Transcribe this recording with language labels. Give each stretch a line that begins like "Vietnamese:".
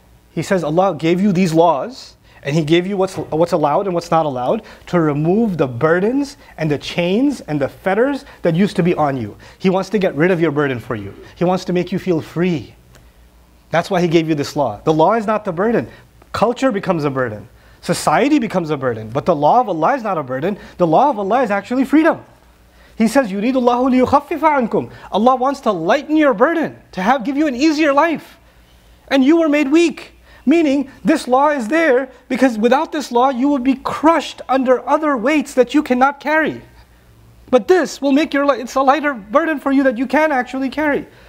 English: He says Allah gave you these laws, and He gave you what's allowed and what's not allowed to remove the burdens and the chains and the fetters that used to be on you. He wants to get rid of your burden for you. He wants to make you feel free. That's why He gave you this law. The law is not the burden. Culture becomes a burden. Society becomes a burden, but the law of Allah is not a burden. The law of Allah is actually freedom. He says,
Arabic: يُرِيدُ اللَّهُ لِيُخَفِّفَ عَنْكُمْ.
English: Allah wants to lighten your burden, to have give you an easier life. And you were made weak. Meaning, this law is there, because without this law, you would be crushed under other weights that you cannot carry. But this will make your life, it's a lighter burden for you that you can actually carry.